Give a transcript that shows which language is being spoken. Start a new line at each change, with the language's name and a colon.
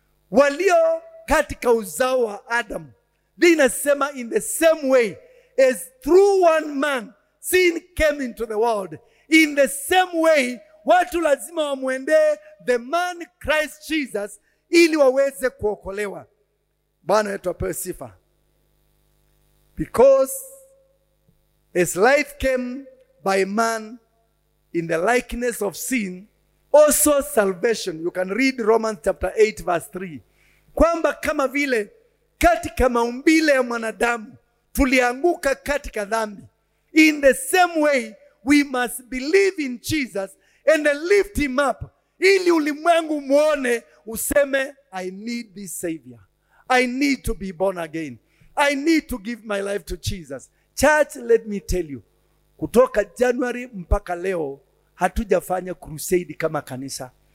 Swahili: Walio katika uzao wa Adam. Biblia inasema
English: in the same way as through one man sin came into the world. In the same way
Swahili: watu lazima wamwende
English: the man Christ Jesus
Swahili: ili waweze kuokolewa. Bwana yetu apewe sifa.
English: Because as life came by man in the likeness of sin, also salvation. You can read Romans chapter 8 verse 3.
Swahili: Kwamba kama vile katika maumbile ya mwanadamu tulianguka katika dhambi.
English: In the same way we must believe in Jesus and lift him up.
Swahili: Ili ulimwengu muone useme,
English: I need this savior. I need to be born again. I need to give my life to Jesus. Church, let me tell you.
Swahili: Kutoka January mpaka leo, hatujafanya crusade kama kanisa.